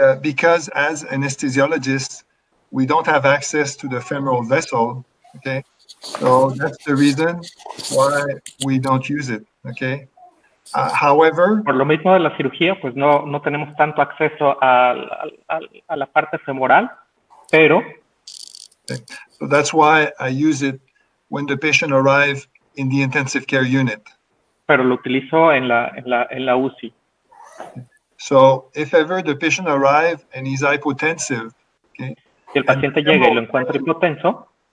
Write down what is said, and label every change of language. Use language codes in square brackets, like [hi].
[en] Because as anesthesiologists, we don't have access to the femoral vessel, okay? So that's the reason why we don't use it, okay? However, [es] por lo mismo de la cirugía, pues no tenemos tanto acceso a la parte femoral, pero [en] okay. So that's why I use it when the patient arrives in the intensive care unit. [es] Pero lo utilizo en la UCI. [en] So if ever the patient arrives and he's hypotensive, okay, [es] si el paciente llega y lo encuentra hipotenso,